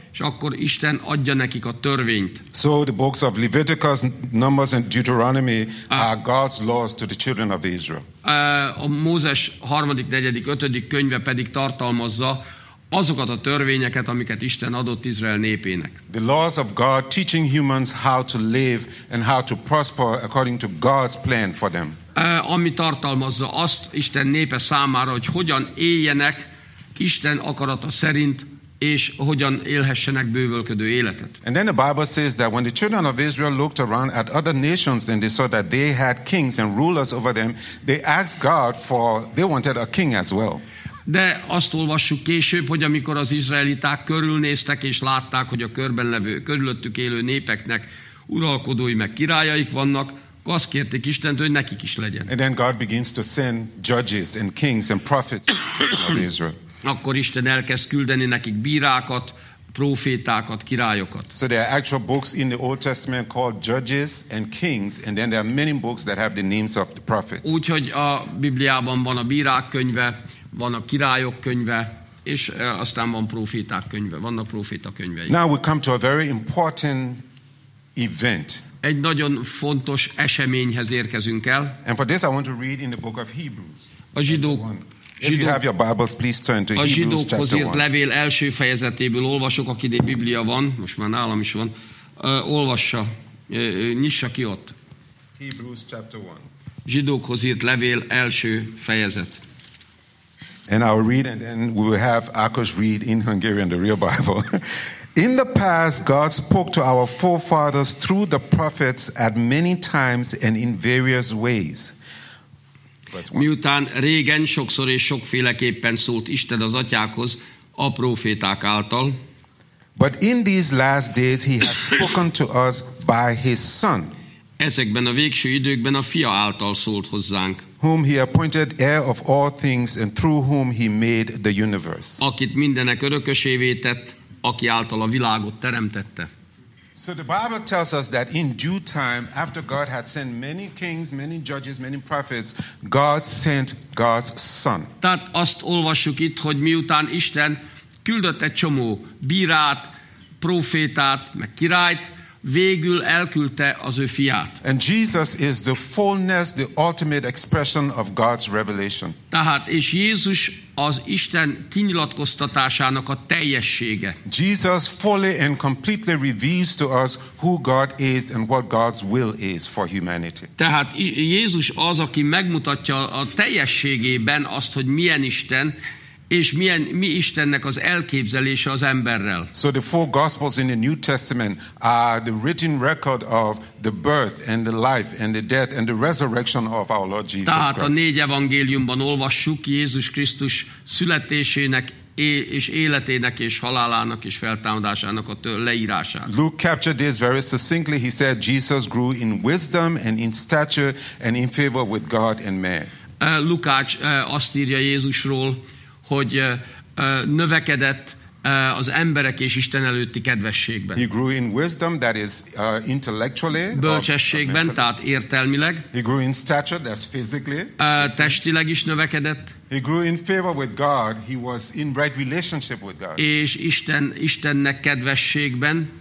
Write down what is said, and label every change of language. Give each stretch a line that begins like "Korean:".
Hungarian: És akkor Isten adja nekik a törvényt.
English: So the books of Leviticus, Numbers and Deuteronomy are God's laws to the children of Israel.
Hungarian: A Mózes 3., 4., 5. könyve pedig tartalmazza azokat a törvényeket, amiket Isten adott Izrael népének.
English: The laws of God teaching humans how to live and how to prosper according to God's plan for them.
Hungarian: Ami tartalmazza azt Isten népe számára, hogy hogyan éljenek Isten akarata szerint, és hogyan élhessenek bővölködő életet.
English: And then the Bible says that when the children of Israel looked around at other nations, then they saw that they had kings and rulers over them, they asked God for, they wanted a king as well.
Hungarian: De azt olvassuk később, hogy amikor az izraeliták körülnéztek, és látták, hogy a körben levő, körülöttük élő népeknek uralkodói meg királyaik vannak, azt kérték Istent, hogy nekik is legyen.
English: And then God begins to send judges and kings and prophets to the children of Israel.
Hungarian: Akkor Isten elkezd küldeni nekik bírákat, prófétákat, királyokat.
English: So there are actual books in the Old Testament called Judges and Kings, and then there are many books that have the names of the prophets.
Hungarian: Úgyhogy a Bibliában van a bírák könyve, van a királyok könyve, és aztán van próféták könyve, vannak próféta könyvei.
English: Now we come to a very important event.
Hungarian: Egy nagyon fontos eseményhez érkezünk el.
English: And for this I want to read in the book of Hebrews.
Hungarian: A zsidók.
English: If you have your Bibles, please turn to Hebrews chapter 1.
Hungarian: A zsidókhoz írt levél első fejezetéből olvasok, akiné Biblia van, most már nálam is van. Olvassa, nyissa ki ott.
English: Hebrews chapter 1.
Hungarian: Zsidókhoz írt levél első fejezet.
English: And I'll read and then we will have Akos read in Hungarian the real Bible. In the past, God spoke to our forefathers through the prophets at many times and in various ways.
Hungarian: Miután régen sokszor és sokféleképpen szólt Isten az atyákhoz a próféták által.
English: But in these last days he has spoken to us by his son.
Hungarian: Ezekben a végső időkben a fia által szólt hozzánk.
English: Whom he appointed heir of all things and through whom he made the universe.
Hungarian: Akit mindenek örökösévé tett, aki által a világot teremtette.
English: So the Bible tells us that in due time, after God had sent many kings, many judges, many prophets, God sent God's son.
Hungarian: Tehát azt olvassuk itt, hogy miután Isten küldött egy csomó bírát, prófétát, meg királyt, végül elküldte az ő fiát.
English: And Jesus is the fullness, the ultimate expression of God's revelation.
Hungarian: Tehát, és Jézus az Isten kinyilatkoztatásának a teljessége.
English: Jesus fully and completely reveals to us who God is and what God's will is for humanity.
Hungarian: Tehát Jézus az, aki megmutatja a teljességében azt, hogy milyen Isten, és milyen, mi Istennek az elképzelése az emberrel.
English: So the four gospels in the New Testament are the written record of the birth and the life and the death and the resurrection of our Lord Jesus Christ.
Hungarian: Tehát a négy evangéliumban olvassuk Jézus Krisztus születésének és életének és halálának és feltámadásának a leírását.
English: Luke captured this very succinctly. He said Jesus grew in wisdom and in stature and in favor with God and man.
Hungarian: Lukács azt írja Jézusról, hogy növekedett az emberek és Isten előtti kedvességben.
English: He grew in wisdom, that is intellectually.
Hungarian: Bölcsességben, tehát értelmileg.
English: He grew in stature, that's physically.
Hungarian: Testileg is növekedett.
English: He grew in favor with God. He was in right relationship with God.
Hungarian: És Istennek kedvességben.